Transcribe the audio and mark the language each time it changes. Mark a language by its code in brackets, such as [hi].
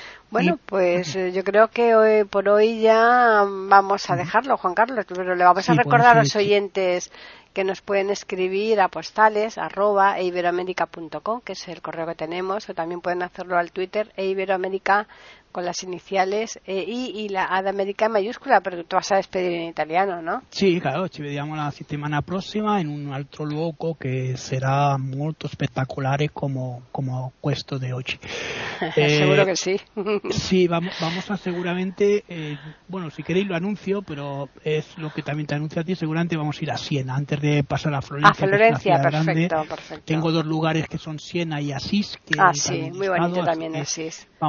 [es] Bueno, pues yo creo que hoy por hoy ya vamos a dejarlo, Juan Carlos, pero le vamos a recordar a los oyentes que nos pueden escribir a postales@iberoamerica.com, que es el correo que tenemos, o también pueden hacerlo al Twitter @iberoamerica con las iniciales I y la A de América en mayúscula, pero tú vas a despedir en italiano, ¿no? [it] Sí, claro, ci vediamo la settimana prossima en un altro luogo [es] que será [it] molto spettacolare como questo de oggi. [es] Seguro que sí. Sí, vamos a seguramente, bueno, si queréis lo anuncio, pero es lo que también te anuncio a ti, seguramente vamos a ir a Siena antes de pasar a Florencia. A Florencia, perfecto, grande. Perfecto. Tengo dos lugares que son Siena y Asís. Que sí, muy bonito también Asís.